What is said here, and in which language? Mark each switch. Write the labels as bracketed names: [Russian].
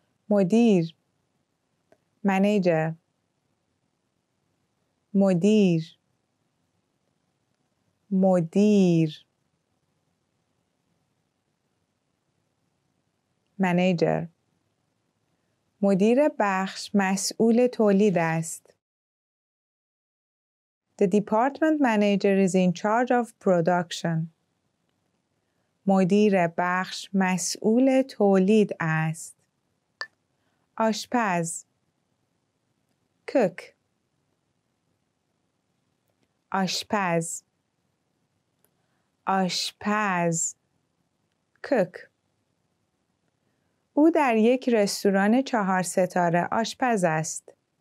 [Persian] مدیر Manager مدیر مدیر Manager مدیر بخش مسئول تولید است. [English] The department manager is in charge of production. [Persian] مدیر بخش مسئول تولید است. آشپز Cook آشپز آشپز Cook او در یک رستوران 4 ستاره آشپز است.